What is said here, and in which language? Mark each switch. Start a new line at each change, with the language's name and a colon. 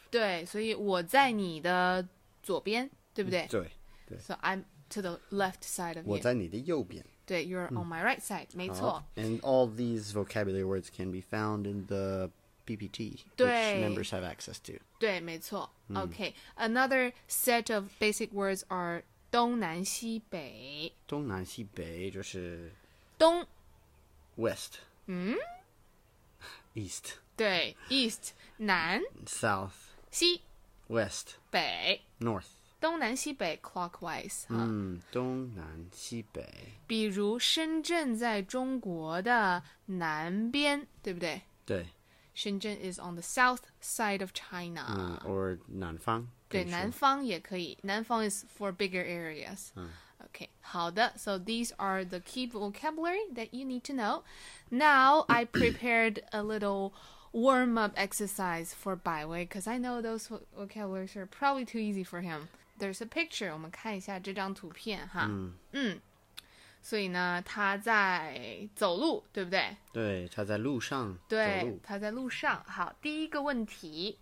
Chinese: 对所以我在你的左边对不对对, 对。
English: So I'm to the left side of you.
Chinese: 我在你的右边。
English: 对 you're on my right side,
Chinese: 没错。
English: And all these vocabulary words can be found in the... PPT, which members have access to.
Chinese: 对，没错。
English: Okay, another set of basic words are 东南西北。
Chinese: 东南西北就是东
English: West. 嗯 East.
Chinese: 对 East 南
English: South
Chinese: 西
English: West
Chinese: 北
English: North.
Chinese: 东南西北 clockwise. 东南西北。比如深圳在中国的南边，对不对？对。
English: Shenzhen is on the south side of China.、
Chinese: Or 南方。对南方也可以。南方
English: is for bigger areas.、Okay,
Chinese: 好的。
English: So these are the key vocabulary that you need to know. Now I prepared a little warm-up exercise for Bai Wei because I know those vocabularies are probably too easy for him. There's a picture.
Chinese: 我们看一下这张图片哈。嗯。嗯所以呢他在走路对不对对他在路上走路对他在路上好第一个问题